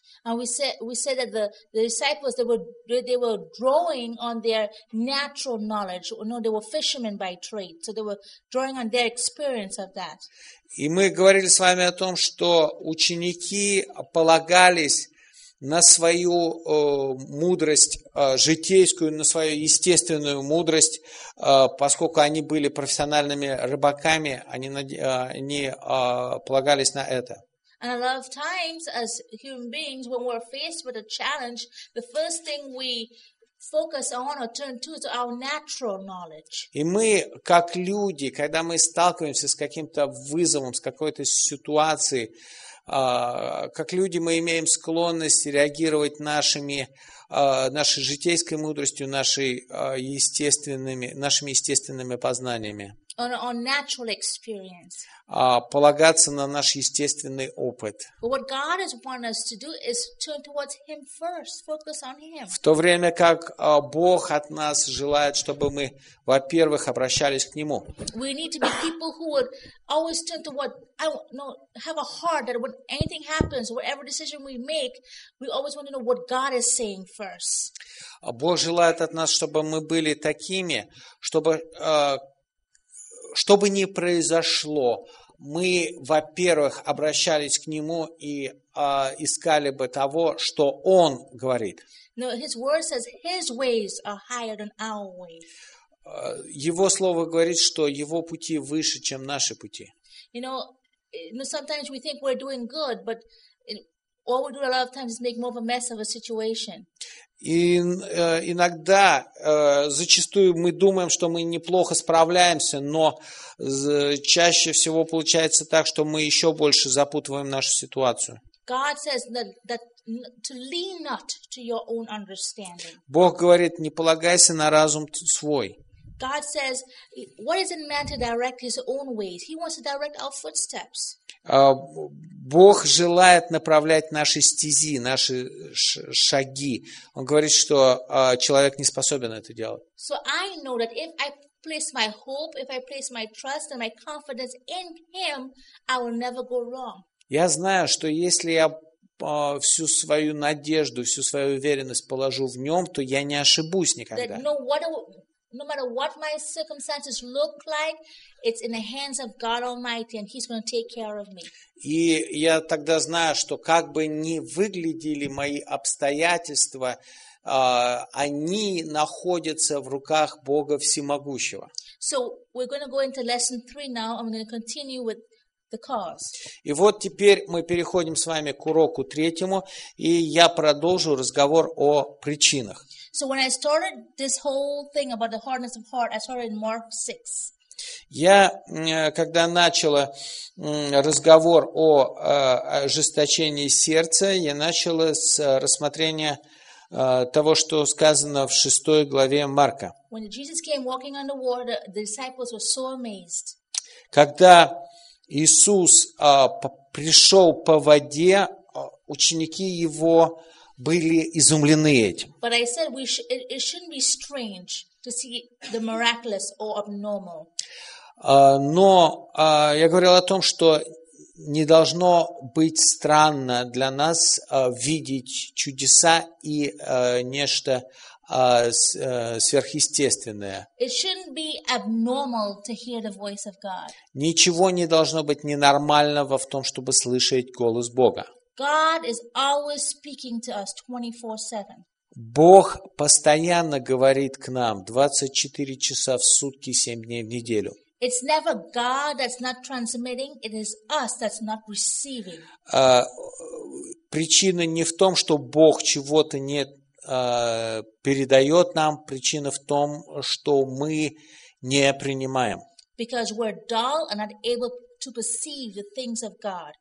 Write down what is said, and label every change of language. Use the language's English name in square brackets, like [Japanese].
[English] And we said that the disciples they were drawing on their natural knowledge. No, they were fishermen by trade, so they were drawing on their experience of that. [Russian] И мы говорили с вами о том, что ученики полагались на свою мудрость житейскую, на свою естественную мудрость, поскольку они были профессиональными рыбаками, они полагались на это. [English] And a lot of times, as human beings, when we're faced with a challenge, the first thing we focus on or turn to is our natural knowledge. [Russian] И мы, как люди, когда мы сталкиваемся с каким-то вызовом, с какой-то ситуацией, как люди мы имеем склонность реагировать нашей житейской мудростью, нашими естественными познаниями. [English] On natural experience. [Russian] Полагаться на наш естественный опыт. [English] But what God has wanted us to do is turn towards Him first, focus on Him. [Russian] В то время как Бог от нас желает, чтобы мы, во-первых, обращались к Нему. [English] We need to be people who would always turn toward, have a heart that when anything happens, whatever decision we make, we always want to know what God is saying first. [Russian] Бог желает от нас, чтобы мы были такими, чтобы что бы ни произошло, мы, во-первых, обращались к Нему и искали бы того, что Он говорит. [English] No, His word says His ways are higher than our ways. [Russian] Его слово говорит, что Его пути выше, чем наши пути. [English] You know, sometimes we think we're doing good, but all we do a lot of times is make more of a mess of a situation. [Russian] И иногда, зачастую мы думаем, что мы неплохо справляемся, но чаще всего получается так, что мы еще больше запутываем нашу ситуацию. [English] God says that to lean not to your own understanding. [Russian] Бог говорит, не полагайся на разум свой. [English] God says, what is it meant to direct his own ways? He wants to direct our footsteps. [Russian] Бог желает направлять наши стези, наши шаги. Он говорит, что человек не способен это делать. [English] So I know that if I place my hope, if I place my trust and my confidence in him, I will never go wrong. [Russian] Я знаю, что если я всю свою надежду, всю свою уверенность положу в нем, то я не ошибусь никогда. [English] No matter what my circumstances look like, it's in the hands of God Almighty, and He's going to take care of me. [Russian] И я тогда знаю, что как бы ни выглядели мои обстоятельства, они находятся в руках Бога Всемогущего. [English] So we're going to go into lesson 3 now. I'm going to continue with the cause. [Russian] И вот теперь мы переходим с вами к уроку третьему, и я продолжу разговор о причинах. [English] So when I started this whole thing about the hardness of heart, I started in Mark 6. [Russian] Я, когда начала разговор о ожесточении сердца, я начала с рассмотрения того, что сказано в 6 главе Марка. [English] When Jesus came walking on the water, the disciples were so amazed. [Russian] Когда Иисус пришел по воде, ученики Его были изумлены этим. [English] But I said it shouldn't be strange to see the miraculous or abnormal. [Russian] Я говорил о том, что не должно быть странно для нас видеть чудеса и нечто сверхъестественное. [English] It shouldn't be abnormal to hear the voice of God. [Russian] Ничего не должно быть ненормального в том, чтобы слышать голос Бога. [English] God is always speaking to us 24/7. [Russian] Бог постоянно говорит к нам 24 часа в сутки, 7 дней в неделю. [English] It's never God that's not transmitting, it is us that's not receiving. [Russian] Причина не в том, что Бог чего-то не передает нам, причина в том, что мы не принимаем. [English] Because we're dull and not able to perceive the things of God.